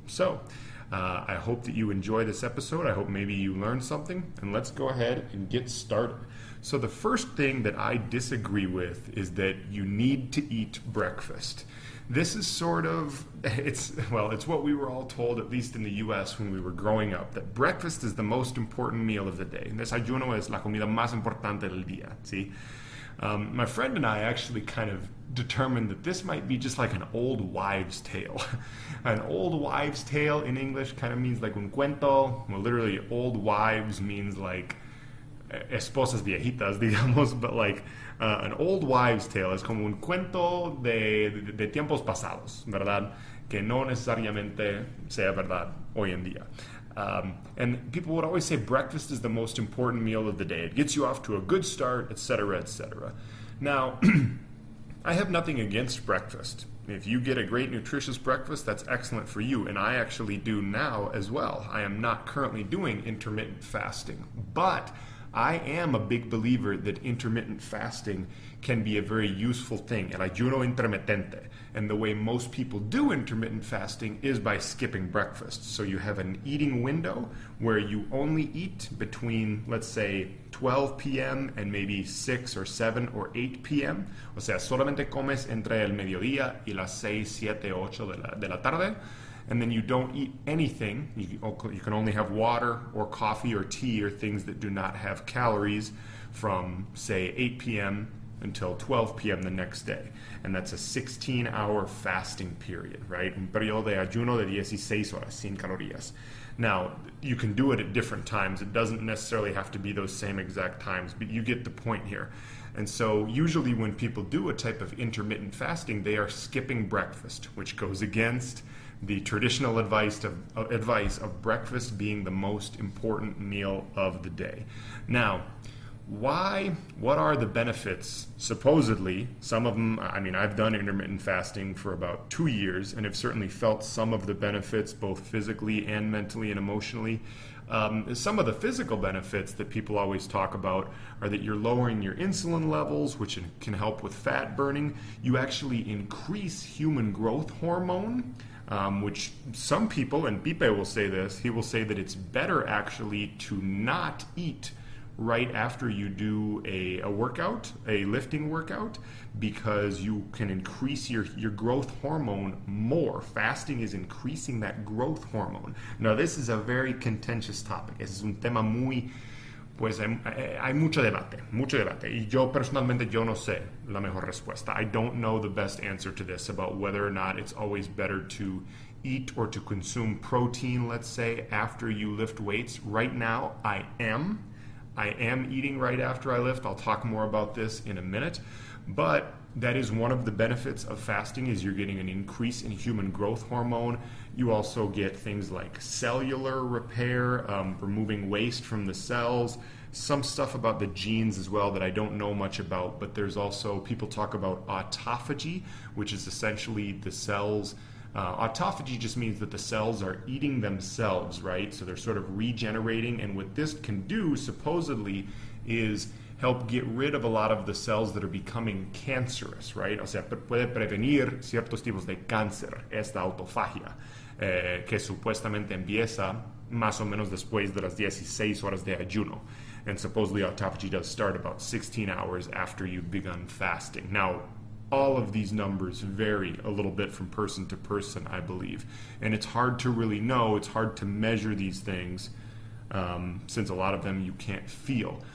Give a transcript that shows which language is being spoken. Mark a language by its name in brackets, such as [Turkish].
[English] So I hope that you enjoy this episode. I hope maybe you learned something, and let's go ahead and get started. So the first thing that I disagree with is that you need to eat breakfast. This is sort of, it's what we were all told, at least in the U.S. when we were growing up, that breakfast is the most important meal of the day. [Spanish] Desayuno es la comida más importante del día, ¿sí? [English] My friend and I actually kind of determined that this might be just like an old wives' tale. An old wives' tale in English kind of means like un cuento. Well, literally, old wives means like esposas viejitas, digamos, but like an old wives' tale is como un cuento de tiempos pasados, ¿verdad? [Spanish] Que no necesariamente sea verdad hoy en día. [English] And people would always say breakfast is the most important meal of the day. It gets you off to a good start, etc., etc. Now, I have nothing against breakfast. If you get a great, nutritious breakfast, that's excellent for you, and I actually do now as well. I am not currently doing intermittent fasting, but I am a big believer that intermittent fasting can be a very useful thing, el ayuno intermitente. And the way most people do intermittent fasting is by skipping breakfast. So you have an eating window where you only eat between, let's say, 12 p.m. and maybe 6 or 7 or 8 p.m. [Spanish] O sea, solamente comes entre el mediodía y las 6, 7, 8 de la tarde. [English] And then you don't eat anything. You can only have water or coffee or tea or things that do not have calories from, say, 8 p.m. until 12 p.m. the next day. And that's a 16-hour fasting period, right? [Spanish] Un periodo de ayuno de 16 horas, sin calorías. [English] Now, you can do it at different times. It doesn't necessarily have to be those same exact times, but you get the point here. And so usually when people do a type of intermittent fasting, they are skipping breakfast, which goes against the traditional advice of breakfast being the most important meal of the day. Now, what are the benefits? Supposedly, some of them, I mean, I've done intermittent fasting for about 2 years and have certainly felt some of the benefits, both physically and mentally and emotionally. Some of the physical benefits that people always talk about are that you're lowering your insulin levels, which can help with fat burning. You actually increase human growth hormone, which some people, and Pipe will say this, he will say that it's better actually to not eat right after you do a workout, a lifting workout, because you can increase your growth hormone more. Fasting is increasing that growth hormone. Now, this is a very contentious topic. [Spanish] Es un tema muy, pues, hay mucho debate. Y yo personalmente, yo no sé la mejor respuesta. [English] I don't know the best answer to this about whether or not it's always better to eat or to consume protein, let's say, after you lift weights. Right now, I am eating right after I lift. I'll talk more about this in a minute. But that is one of the benefits of fasting, is you're getting an increase in human growth hormone. You also get things like cellular repair, removing waste from the cells, some stuff about the genes as well that I don't know much about. But there's also, people talk about autophagy, which is essentially the cells. Autophagy just means that the cells are eating themselves, right? So they're sort of regenerating. And what this can do, supposedly, is help get rid of a lot of the cells that are becoming cancerous, right? O sea, puede prevenir ciertos tipos de cáncer, esta autofagia. [Spanish] que supuestamente empieza más o menos después de las 16 horas de ayuno. [English] And supposedly autophagy does start about 16 hours after you've begun fasting. Now, all of these numbers vary a little bit from person to person, I believe. And it's hard to really know, it's hard to measure these things, since a lot of them you can't feel.